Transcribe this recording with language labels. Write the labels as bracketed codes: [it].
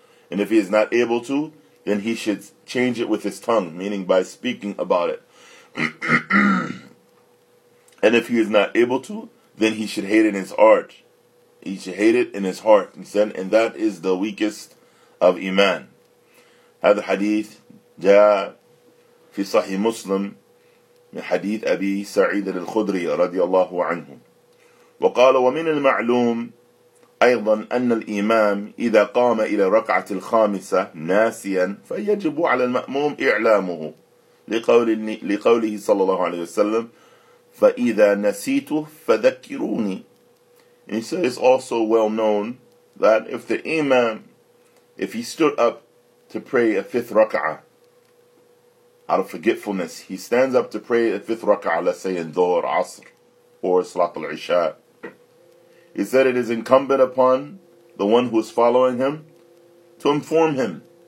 [en] And if he is not able to, then he should change it with his tongue, meaning by speaking about it. And if he is not able to, then he should hate it in his heart. He should hate it in his heart. He said, and that is the weakest of iman. [ar] هذا حديث جاء في صحيح مسلم من حديث أبي سعيد الخدري رضي الله عنه وقال ومن المعلوم أيضا أن الإمام إذا قام إلى ركعة الخامسة ناسيا فيجب على المأموم إعلامه لقوله صلى الله عليه وسلم فإذا نسيت فذكروني. [en] And so it's also well known that if the imam, if he stood up to pray a fifth raka'ah out of forgetfulness, he stands up to pray a fifth raka'ah, let's say in Dhuhr, Asr, or Salat al-Isha, he said it is incumbent upon the one who is following him to inform him.